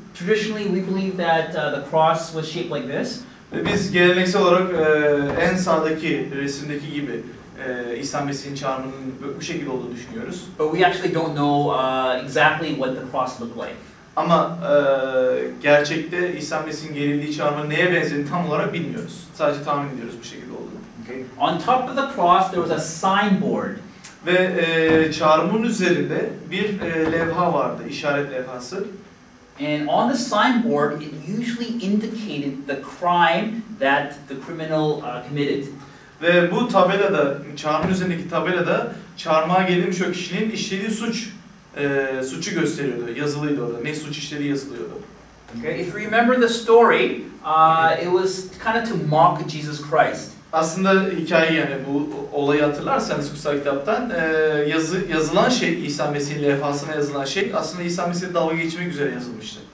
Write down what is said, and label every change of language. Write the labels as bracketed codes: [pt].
[en] Traditionally we believe that the cross was shaped like this. [tr] Biz geleneksel olarak en sağdaki resimdeki gibi İsa Mesih'in çarmıhının bu şekilde olduğunu düşünüyoruz. [en] But we actually don't know exactly what the cross looked like. [tr] Ama gerçekte İsa Mesih'in gerildiği çarmıhın neye benzediğini tam olarak bilmiyoruz. Sadece tahmin ediyoruz bu şekilde olduğunu. [en] Okay. On top of the cross there was a signboard. [tr] Ve çarmıhın üzerinde bir levha vardı, işaret levhası. [en] And on the signboard it usually indicated the crime that the criminal committed. [tr] Ve bu tabelada, çarmıhın üzerindeki tabelada çarmıha gelinmiş o kişinin işlediği suç suçu gösteriyordu. Yazılıydı orada. Ne suç işlediği yazılıyordu. [en] Okay, if you remember the story, it was kind of to mock Jesus Christ. [tr] Aslında hikaye yani bu olayı hatırlarsanız kutsal kitaptan yazılan şey İsa Mesih'in levhasına yazılan şey aslında İsa Mesih'e dalga geçmek üzere yazılmıştı.